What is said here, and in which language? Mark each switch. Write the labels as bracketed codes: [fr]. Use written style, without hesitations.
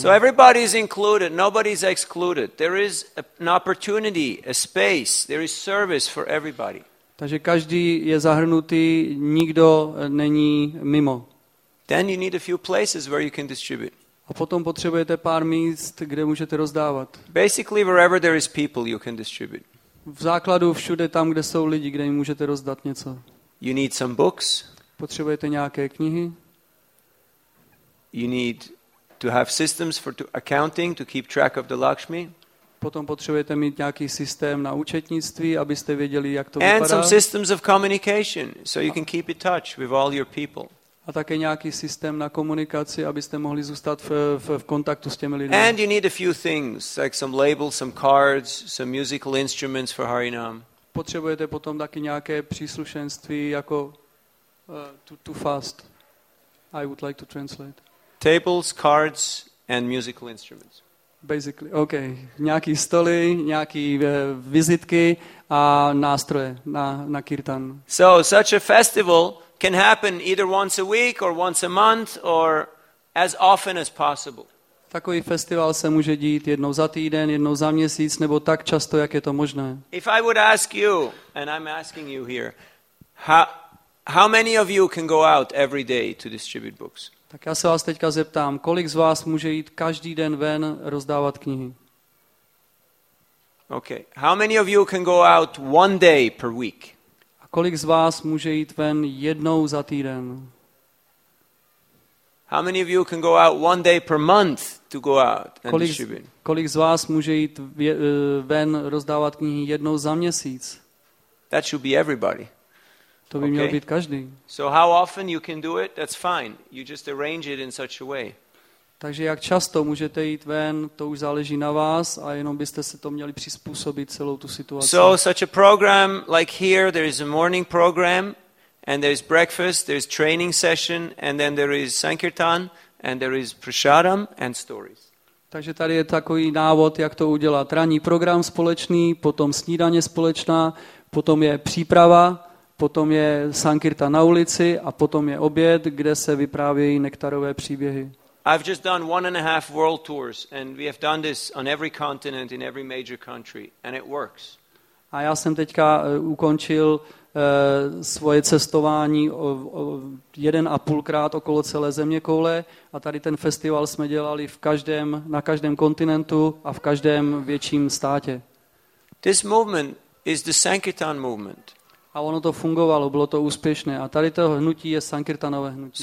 [en] So everybody is included, nobody is excluded. There is an opportunity, a space, there is service for everybody. [cs] Takže každý je zahrnutý, nikdo není mimo. [en] Then you need a few places where you can distribute. [cs] A potom potřebujete pár míst, kde můžete rozdávat. [en] Basically wherever there is people you can distribute. [cs] V základu všude tam, kde jsou lidi, kde jim můžete rozdat něco. [en] You need some books. [cs] Potřebujete nějaké knihy. [en] You need to have systems for accounting to keep track of the Lakshmi. [cs] Potom potřebujete mít nějaký systém na účetnictví, abyste věděli, jak to [en] and [cs] vypadá. [en] And some systems of communication so you can keep in touch with all your people. [cs] A také nějaký systém na komunikaci, abyste mohli zůstat v kontaktu s těmi lidmi. [en] And you need a few things, like some labels, some cards, some musical instruments for Harinam. [cs] Potřebujete potom taky nějaké příslušenství jako [en] too fast. I would like to translate. Tables, cards and musical instruments. Basically, okay. [cs] Nějaký stoly, nějaký vizitky a nástroje na kirtan. [en] So such a festival can happen either once a week or once a month or as often as possible. [cs] Takový festival se může dít jednou za týden, jednou za měsíc, nebo tak často, jak je to možné. [en] If I would ask you, and I'm asking you here, how many of you can go out every day to distribute books? [cs] Tak já se vás teďka zeptám, kolik z vás může jít každý den ven rozdávat knihy? [en] Okay. How many of you can go out one day per week? [cs] A kolik z vás může jít ven jednou za týden? [en] How many of you can go out one day per month to go out and distribute? [cs] Kolik z vás může jít ven rozdávat knihy jednou za měsíc? [en] That should be everybody. [cs] To by měl být každý. [en] So how often you can do it? That's fine. You just arrange it in such a way. [cs] Takže jak často můžete jít ven, to už záleží na vás a jenom byste se to měli přizpůsobit celou tu situaci. [en] So such a program like here, there is a morning program. And there's breakfast, there's training session, and then there is sankirtan, and there is prasadam and stories. [cs] Takže tady je takový návod, jak to udělat. Ranní program společný, potom snídaně společná, potom je příprava, potom je sankirtan na ulici a potom je oběd, kde se vyprávějí nektarové příběhy. [en] I've just done 1.5 world tours, and we have done this on every continent in every major country, and it works. [cs] A já jsem teďka ukončil svoje cestování 1.5x okolo celé země koule a tady ten festival jsme dělali v každém, na každém kontinentu a v každém větším státě. [en] This movement is the Sankirtan movement. [cs] A ono to fungovalo, bylo to úspěšné a tady to hnutí je Sankirtanové hnutí.